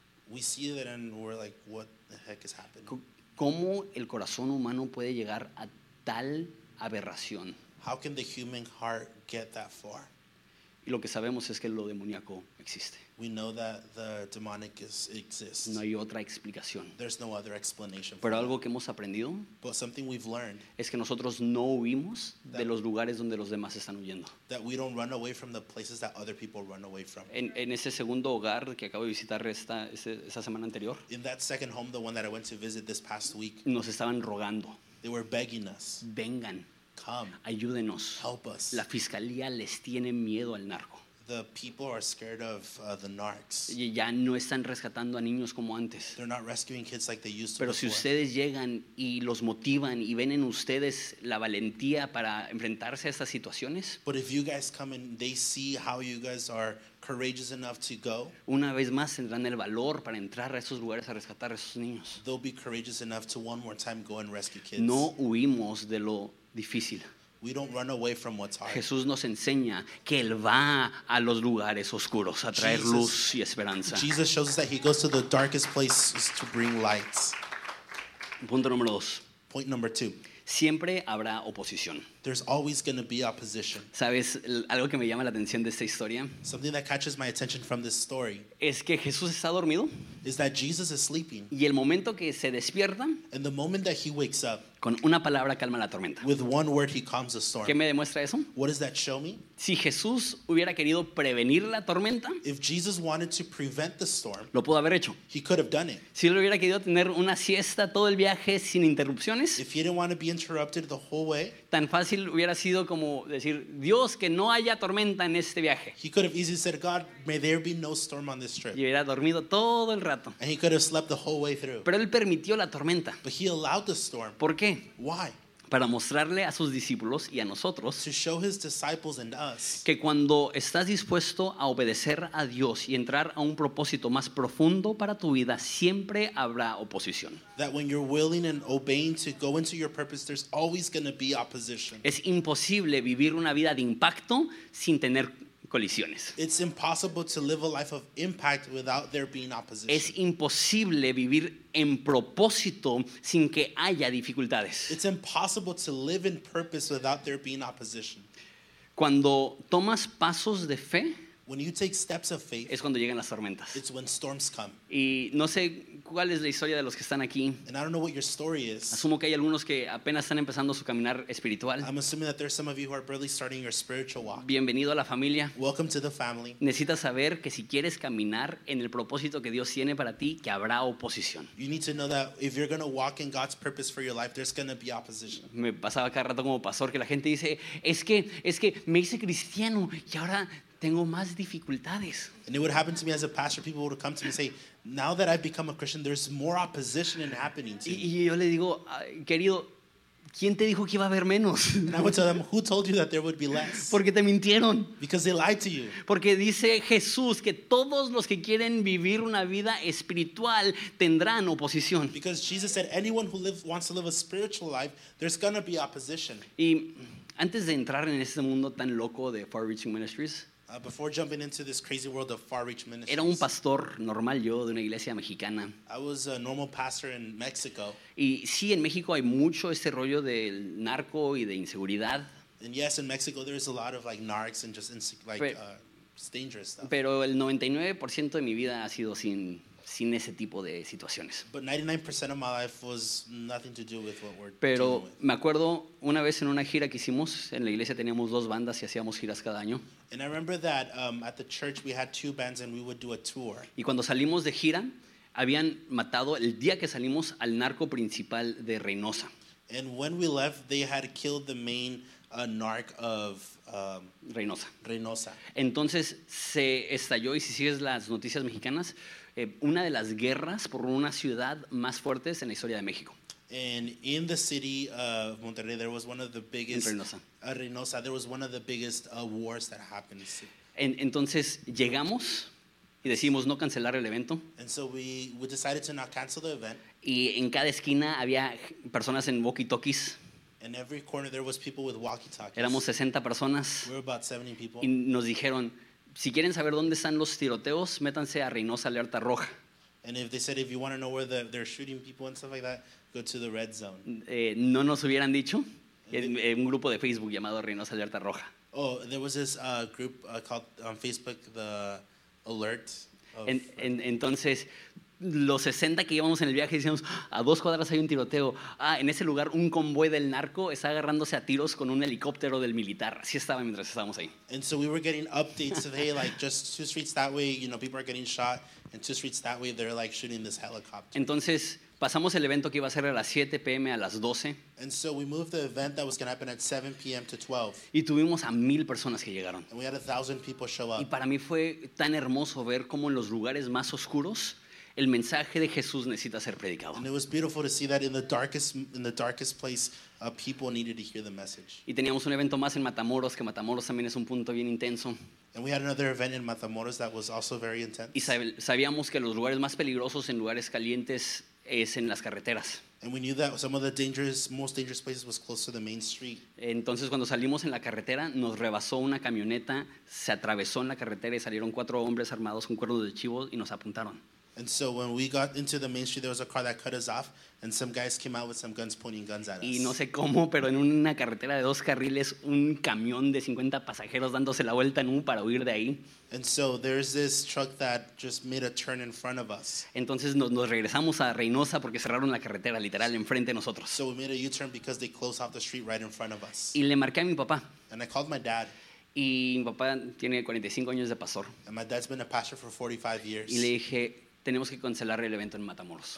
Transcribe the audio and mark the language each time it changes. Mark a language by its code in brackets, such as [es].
[en] We see that and we're like, what the heck is happening? [es] ¿Cómo el corazón humano puede llegar a tal aberración? [en] How can the human heart get that far? [es] Y lo que sabemos es que lo demoníaco existe. [en] We know that the demonic exists. [es] No hay otra explicación. [en] There's no other explanation. [es] Pero algo que hemos aprendido, [en] but something we've learned, [es] es que nosotros no huimos de los lugares donde los demás están huyendo. [en] That we don't run away from the places that other people run away from. [es] En ese segundo hogar que acabo de visitar esa semana anterior, [en] in that second home, the one that I went to visit this past week, [es] nos estaban rogando. [en] They were begging us. [es] Vengan. [en] Come. [es] Ayúdenos. [en] Help us. [es] La fiscalía les tiene miedo al narco. [en] The people are scared of the narcs. [es] Y ya no están rescatando a niños como antes. [en] They're not rescuing kids like they used to. [es] Pero [en] before. [es] Si ustedes llegan y los motivan y ven en ustedes la valentía para enfrentarse a estas situaciones. [en] But if you guys come and they see how you guys are courageous enough to go. [es] Una vez más tendrán el valor para entrar a esos lugares a rescatar a esos niños. [en] They'll be courageous enough to one more time go and rescue kids. [es] No huimos de lo difícil. [en] We don't run away from what's hard. [es] Jesús nos enseña que él va a los lugares oscuros a traer luz y esperanza. [en] Jesus shows us that he goes to the darkest places to bring light. [es] Punto número dos. [en] Point number two. [es] Siempre habrá oposición. [en] There's always going to be opposition. [es] ¿Sabes algo que me llama la atención de esta historia? [en] Something that catches my attention from this story. [es] ¿Es que Jesús está dormido? [en] Is that Jesus is sleeping. [es] Y el momento que se despierta, [en] and the moment that he wakes up, [es] con una palabra calma la tormenta. [en] With one word he calms the storm. [es] ¿Qué me demuestra eso? [en] What does that show me? [es] Si Jesús hubiera querido prevenir la tormenta, [en] if Jesus wanted to prevent the storm, [es] lo pudo haber hecho. [en] He could have done it. [es] Si él hubiera querido tener una siesta todo el viaje sin interrupciones, [en] if he didn't want to be interrupted the whole way, [es] tan fácil hubiera sido como decir, Dios, que no haya tormenta en este viaje. [en] He could have easily said, God, may there be no storm on this trip. [es] Y hubiera dormido todo el rato. [en] And he could have slept the whole way through. [es] Pero él permitió la tormenta. [en] But he allowed the storm. [es] ¿Por qué? [en] Why? [es] Para mostrarle a sus discípulos y a nosotros, [en] to show his disciples and us, [es] que cuando estás dispuesto a obedecer a Dios y entrar a un propósito más profundo para tu vida, siempre habrá oposición. [en] That when you're willing and obeying to go into your purpose, there's always going to be opposition. [es] Es imposible vivir una vida de impacto sin tener colisiones. [en] It's impossible to live a life of impact without there being opposition. [es] Es imposible vivir en propósito sin que haya dificultades. [en] It's impossible to live in purpose without there being opposition. [es] Cuando tomas pasos de fe, [en] when you take steps of faith, [es] es cuando llegan las tormentas. [en] It's when storms come. [es] Y no sé cuál es la historia de los que están aquí. [en] And I don't know what your story is. [es] Asumo que hay algunos que apenas están empezando su caminar espiritual. [en] I'm assuming that there's some of you who are barely starting your spiritual walk. [es] Bienvenido a la familia. [en] Welcome to the family. [es] Necesitas saber que si quieres caminar en el propósito que Dios tiene para ti, que habrá oposición. [en] You need to know that if you're going to walk in God's purpose for your life, there's going to be opposition. [es] Me pasaba cada rato como pastor que la gente dice, es que me hice cristiano y ahora tengo más dificultades. [en] And it would happen to me as a pastor, people would come to me and say, now that I've become a Christian, there's more opposition in happening to me. [es] Y yo le digo, querido, ¿quién te dijo que iba a haber menos? [en] And I would tell them, who told you that there would be less? [es] Porque te mintieron. [en] Because they lied to you. [es] Porque dice Jesús que todos los que quieren vivir una vida espiritual tendrán oposición. [en] Because Jesus said, anyone who wants to live a spiritual life, there's going to be opposition. [es] Y antes de entrar en este mundo tan loco de Far Reaching Ministries, [en] Before jumping into this crazy world of far-reach ministries, [es] era un pastor normal yo de una iglesia mexicana. [en] I was a normal pastor in Mexico. [es] Y sí, en México hay mucho este rollo del narco y de inseguridad. [en] And yes, in Mexico there is a lot of like narcs and just like [es] pero, [en] dangerous stuff. [es] Pero el 99% de mi vida ha sido sin ese tipo de situaciones. [en] But 99% of my life was nothing to do with what we're doing. [es] Pero me acuerdo una vez en una gira que hicimos, en la iglesia teníamos dos bandas y hacíamos giras cada año. [en] And I remember that at the church we had two bands and we would do a tour. [es] Y cuando salimos de gira, habían matado el día que salimos al narco principal de Reynosa. [en] And when we left, they had killed the main narc of Reynosa. [es] Entonces se estalló, y si sigues las noticias mexicanas, una de las guerras por una ciudad más fuertes en la historia de México. [en] And in the city of Monterrey, there was one of the biggest... Reynosa, there was one of the biggest wars that happened. [es] Entonces llegamos y decidimos no cancelar el evento. [en] And so we decided to not cancel the event. [es] Y en cada esquina había personas en walkie-talkies. [en] In every corner there was people with walkie-talkies. [es] Éramos 60 personas. [en] We were about 70 people. [es] Y nos dijeron, si quieren saber dónde están los tiroteos, métanse a Reynosa Alerta Roja. [en] And if they said, if you want to know where they're shooting people and stuff like that, go to the red zone. [es] No nos hubieran dicho. En un grupo de Facebook llamado Reynosa Alerta Roja. [en] Oh, there was this group called on Facebook, the Alert. [es] Entonces, los 60 que íbamos en el viaje, decíamos, a dos cuadras hay un tiroteo. Ah, en ese lugar, un convoy del narco está agarrándose a tiros con un helicóptero del militar. Así estaba mientras estábamos ahí. [en] And so we were getting updates of, hey, like, just two streets that way, you know, people are getting shot. And two streets that way, they're, like, shooting this helicopter. [es] Entonces, pasamos el evento que iba a ser a las 7 p.m. a las 12. [en] And so we moved the event that was going to happen at 7 p.m. to 12. [es] Y tuvimos a 1,000 personas que llegaron. [en] And we had 1,000 people show up. [es] Y para mí fue tan hermoso ver cómo en los lugares más oscuros el mensaje de Jesús necesita ser predicado. [en] And it was beautiful to see that in the darkest place, people needed to hear the message. [es] Y teníamos un evento más en Matamoros, que Matamoros también es un punto bien intenso. [en] And we had another event in Matamoros that was also very intense. [es] Y sabíamos que los lugares más peligrosos en lugares calientes es en las carreteras. [en] And we knew that some of the dangerous, most dangerous places was close to the main street. [es] Entonces, cuando salimos en la carretera, nos rebasó una camioneta, se atravesó en la carretera y salieron cuatro hombres armados con cuernos de chivo y nos apuntaron. [en] And so when we got into the main street, there was a car that cut us off, and some guys came out with some guns, pointing guns at us. [es] Y no sé cómo, pero en una carretera de dos carriles, un camión de 50 pasajeros dándose la vuelta en un para huir de ahí. [en] And so there's this truck that just made a turn in front of us. [es] Entonces nos regresamos a Reynosa porque cerraron la carretera literal enfrente de nosotros. [en] So we made a U-turn because they closed off the street right in front of us. [es] Y le marqué a mi papá. [en] And I called my dad. [es] Y mi papá tiene 45 años de pastor. [en] And my dad's been a pastor for 45 years. [es] Y le dije, tenemos que cancelar el evento en Matamoros.